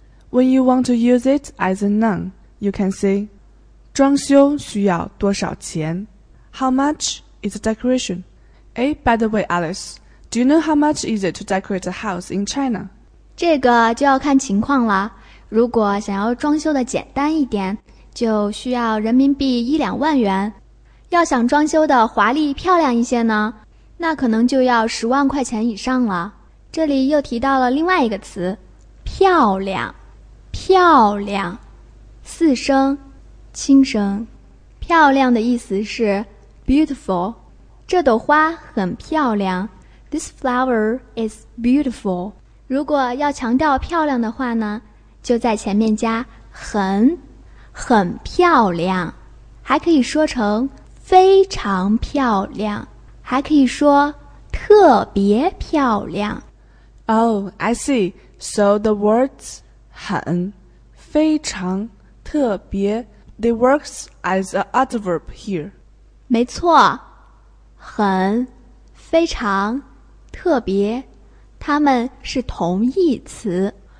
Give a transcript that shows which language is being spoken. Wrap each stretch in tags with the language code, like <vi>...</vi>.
<en>When you want to use it as a noun, you can say，</en> <zh>装修需要多少钱</zh> <en>？How much is a decoration？ By the way, Alice。 Do you know how much is it to decorate a house in China?</en> <zh>这个就要看情况了。如果想要装修的简单一点，就需要人民币一两万元。要想装修的华丽漂亮一些呢，那可能就要十万块钱以上了。这里又提到了另外一个词，漂亮，漂亮，四声，轻声。漂亮的意思是 beautiful， 这朵花很漂亮。</zh> <en>This flower is beautiful.</en> <zh>如果要强调漂亮的话呢，就在前面加很，很漂亮，还可以说成非常漂亮，还可以说特别漂亮。</zh> <en>Oh, I see. So the words</en> <zh>很，非常，特别</zh> <en>they works as an adverb here.</en> <zh>没错，很，非常特别，它们是同义词。</zh>